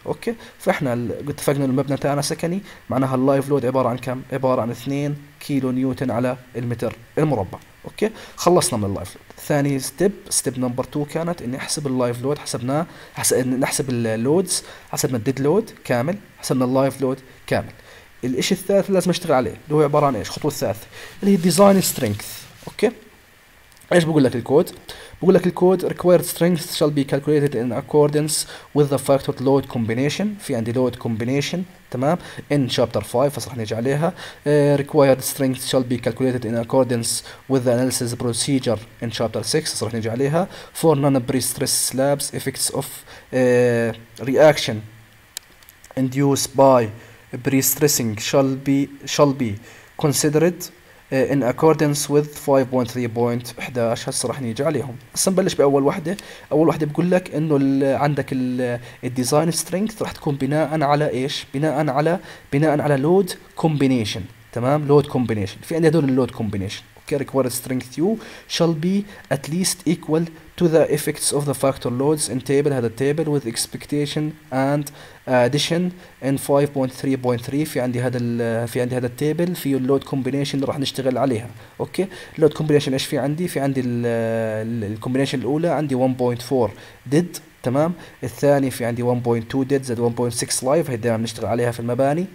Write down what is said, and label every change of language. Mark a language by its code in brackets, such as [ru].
[ar] اوكي فاحنا اتفقنا المبنى تاعنا سكني، معناها اللايف لود عباره عن كم؟ عباره عن 2 كيلو نيوتن على المتر المربع. اوكي خلصنا من اللايف لود. ثاني ستيب، ستيب نمبر 2 كانت اني احسب اللايف لود، حسبناه نحسب اللودز، حسبنا الديد لود كامل، حسبنا اللايف لود كامل. الاشي الثالث لازم اشتغل عليه اللي هو عباره عن ايش، خطوه الثالثه اللي هي ديزاين سترينث. اوكي ايش بقول لك الكود؟ [en] بقول لك الكود required strength shall be calculated in accordance with the factored load combination. [ar] في عندي load combination تمام [en] in chapter 5 [ar] فصرح نيجي عليها. [en] Required strength shall be calculated in accordance with the analysis procedure in chapter 6 [ar] فصرح نيجي عليها. [en] For non-pre-stress slabs effects of reaction induced by pre-stressing shall be considered in accordance with 5.3.11. [ar] هسه راح نيجي عليهم. هسه نبلش باول وحده. اول وحده بقول لك انه عندك الديزاين سترينث راح تكون بناء على ايش؟ بناء على لود كومبينيشن تمام. لود كومبينيشن في عندي هذول اللود كومبينيشن. [en] Okay required strength U shall be at least equal to the effects of the factor loads in table. هذا table with expectation and addition in 5.3.3. [ar] في عندي هذا table فيه load combination اللي راح نشتغل عليها. اوكي load combination ايش في عندي؟ في عندي ال combination الاولى عندي 1.4 did تمام. الثاني في عندي 1.2 did زائد 1.6 live، هي دائما بنشتغل عليها في المباني.